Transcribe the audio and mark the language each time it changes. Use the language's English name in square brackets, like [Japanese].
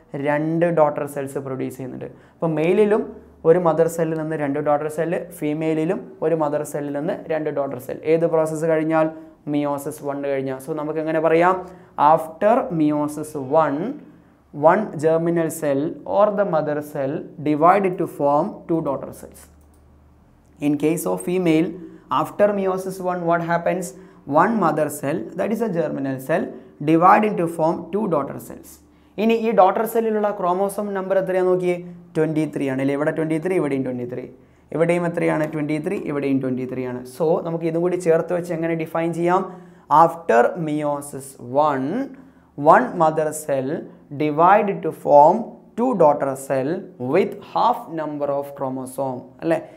[Malayalam] രണ്ട് daughter cells produce ചെയ്യുന്നുണ്ട്. അപ്പോൾ മെയിലിലും ഒരു മദർ സെല്ലിൽ നിന്ന് രണ്ട് ഡോട്ടർ സെല്ല്, ഫീമെയിലും ഒരു മദർ സെല്ലിൽ നിന്ന് രണ്ട് ഡോട്ടർ സെൽ. ഏത് പ്രോസസ്സ് കഴിഞ്ഞാൽ? മിയോസിസ് വൺ കഴിഞ്ഞാൽ. സോ നമുക്ക് എങ്ങനെ പറയാം? [English] After meiosis one, one germinal cell or the mother cell divide to form two daughter cells. In case of female, after meiosis 1 what happens? One mother cell, that is a germinal cell, divide into form two daughter cells. [Malayalam] ഇനി ഈ daughter സെല്ലിലുള്ള chromosome number എത്രയാണ് നോക്കിയേ? 23 ആണ് അല്ലേ. ഇവിടെ 23, ഇവിടെയും 23, ഇവിടെയും എത്രയാണ്? 23, ഇവിടെയും 23 ആണ്. സോ നമുക്ക് ഇതും കൂടി ചേർത്ത് വെച്ച് എങ്ങനെ ഡിഫൈൻ ചെയ്യാം? [English] After meiosis one, one mother cell divide to form two daughter cell with half number of chromosome അല്ലേ.